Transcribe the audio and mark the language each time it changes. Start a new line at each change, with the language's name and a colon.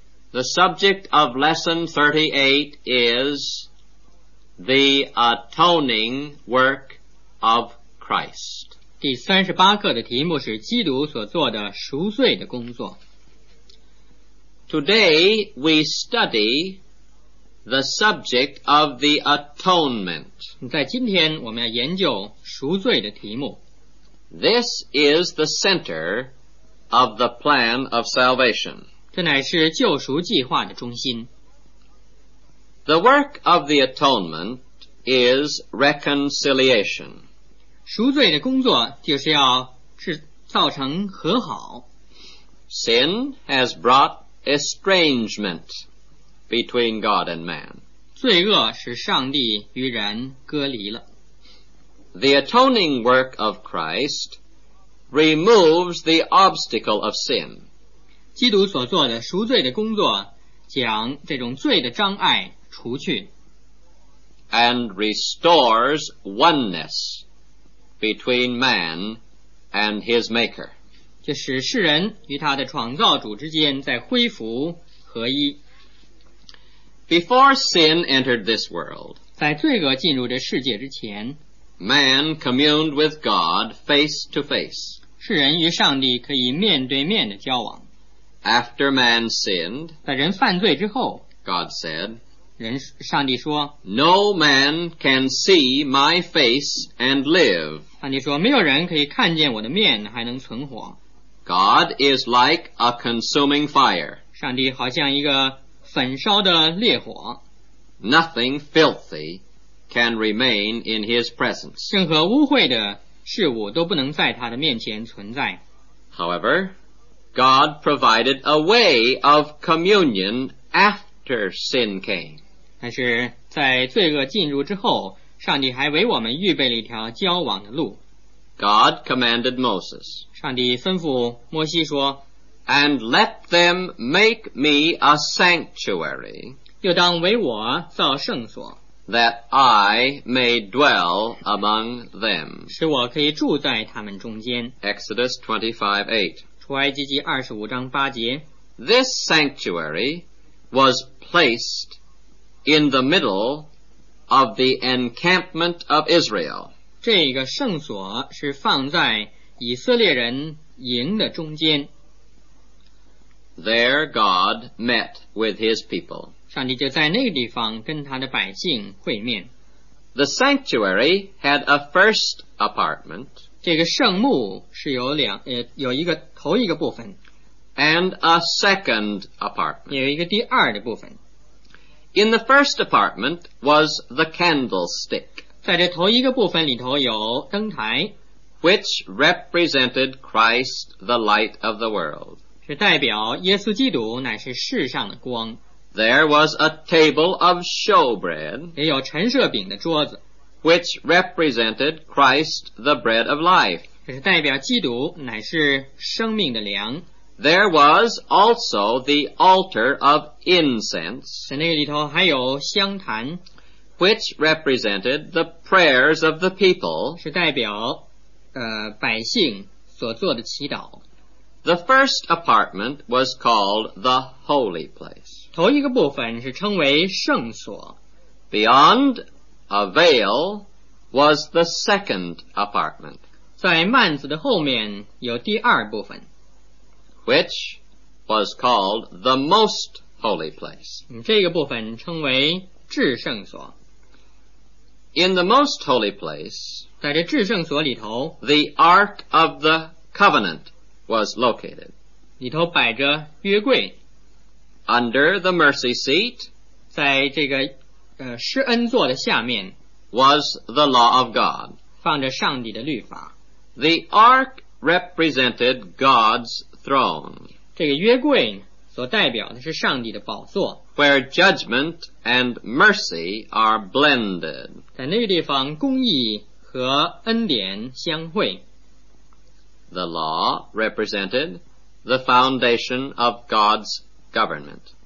English: The subject of lesson 38 is the atoning work of Christ.
Chinese: 第三十八课的题目是基督所做的赎罪的工作。
English: Today we study the subject of the atonement.
Chinese: 在今天我们要研究赎罪的题目。
English: This is the center of the plan of salvation.
Chinese: 这乃是救赎计划的中心。
English: The work of the atonement is reconciliation.
Chinese: 赎罪的工作就是要造成和好。
English: Sin has brought estrangement between God and man.
Chinese: 罪恶使上帝与人隔离了。
English: The atoning work of Christ removes the obstacle of sin.
Chinese: 基督所做的赎罪的工作将这种罪的障碍除去。
English: And restores oneness. Between man and his maker.
Chinese: 就使世人与他的创造主之间再恢复合一。
English: Before sin entered this world,
Chinese: 在罪恶进入这世界之前,
English: man communed with God face to face.
Chinese: 世人与上帝可以面对面的交往。
English: After man sinned,
Chinese: 在人犯罪之后,
English: God said,
Chinese: 上帝说,
English: No man can see my face and live.
Chinese: 上帝说, 没有人可以看见我的面还能存活。
English: God is like a consuming fire.
Chinese: 上帝好像一个焚烧的烈火。
English: Nothing filthy can remain in his presence.
Chinese: 任何污秽的事物都不能在他的面前存在。
English: However, God provided a way of communion afterSin came.
Chinese: 但是在罪恶进入之后，上帝还为我们预备了一条交往的路。
English: God commanded Moses.
Chinese: 上帝吩咐摩西说，
English: And let them make me a sanctuary.
Chinese: 又当为我造圣所，
English: That I may dwell among them.
Chinese: 使我可以住在他们中间。
English: Exodus 25:8.
Chinese: 出埃及记二十五章八节。
English: This sanctuary. Was placed in the middle of the encampment of Israel.
Chinese: 这个圣所是放在以色列人营的中间。
English: There God met with his people.
Chinese: 上帝就在那个地方跟他的百姓会面。
English: The sanctuary had a first apartment.
Chinese: 这个圣墓是有两，有一个头一个部分。
English: And a second apartment.
Chinese: 有一个第二的部分。
English: In the first apartment was the candlestick.
Chinese: 在这头一个部分里头有灯台。
English: Which represented Christ, the light of the world.
Chinese: 是代表耶稣基督乃是世上的光。
English: There was a table of showbread,
Chinese: 也有陈设饼的桌子,
English: which represented Christ, the bread of life.
Chinese: 这是代表基督乃是生命的粮。
English: There was also the altar of incense,
Chinese: 在那个里头还有香坛,
English: which represented the prayers of the people,
Chinese: 是代表百姓所做的祈祷。
English: The first apartment was called the holy place.
Chinese: 头一个部分是称为圣所。
English: Beyond a veil was the second apartment.
Chinese: 在幔子的后面有第二部分。
English: Which was called the most holy place.
Chinese: 这个部分称为至圣所。
English: In the most holy place,
Chinese: 在这至圣所里头,
English: the Ark of the Covenant was located.
Chinese: 里头摆着约柜。
English: Under the mercy seat,
Chinese: 在这个施恩座的下面,
English: was the law of God.
Chinese: 放着上帝的律法。
English: The Ark represented God's throne.
Chinese: 这个约柜所代表的是上帝的宝座。
English: Where judgment and mercy are blended.
Chinese: 在那个地方公义和恩典相会。
English: The law represented the foundation of God's government.